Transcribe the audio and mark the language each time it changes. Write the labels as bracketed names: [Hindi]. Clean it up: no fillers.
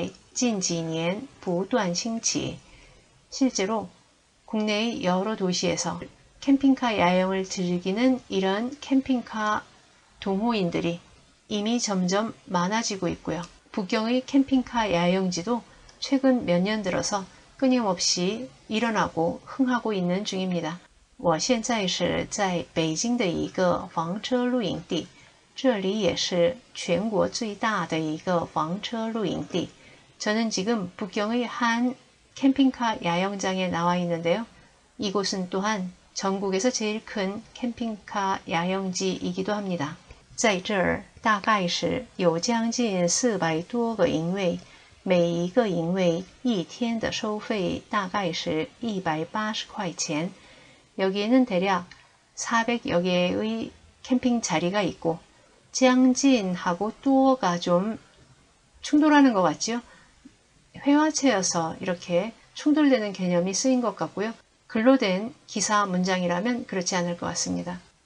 [Chinese] 实际上，在国内许多城市，像这样的房车车友已经是越来越多了。北京的房车露营地也在近几年不断兴起。 [Korean] 실제로 국내의 여러 도시에서 캠핑카 야영을 즐기는 이런 캠핑카 동호인들이 이미 점점 많아지고 있고요. 북경의 캠핑카 야영지도 최근 몇년 들어서 끊임없이 일어나고 흥하고 있는 중입니다. [Chinese] 我现在是在北京的一个房车露营地，这里也是全国最大的一个房车露营地。 [Korean] 저는 지금 북경의 한 캠핑카 야영장에 나와 있는데요. 이곳은 또한 전국에서 제일 큰 캠핑카 야영지이기도 합니다. [Chinese] 在这儿大概是有将近400多个营位，每一个营位一天的收费大概是180块钱。 [Korean] 여기에는대략400여 개의 캠핑 자리가 있고, 지앙진하고 뚜어가 좀 충돌하는 것 같죠? 회화체여서 이렇게 충돌되는 개념이 쓰인 것 같고요. 글로 된 기사 문장이라면 그렇지 않을 것 같습니다.